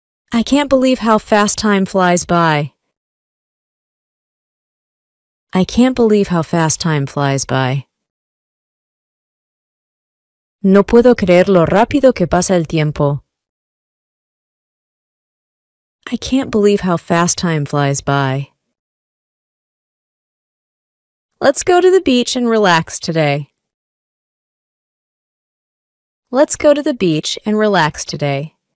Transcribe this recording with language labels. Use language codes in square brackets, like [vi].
[en] I can't believe how fast time flies by. I can't believe how fast time flies by. [es] No puedo creer lo rápido que pasa el tiempo. [en] I can't believe how fast time flies by. Let's go to the beach and relax today. Let's go to the beach and relax today.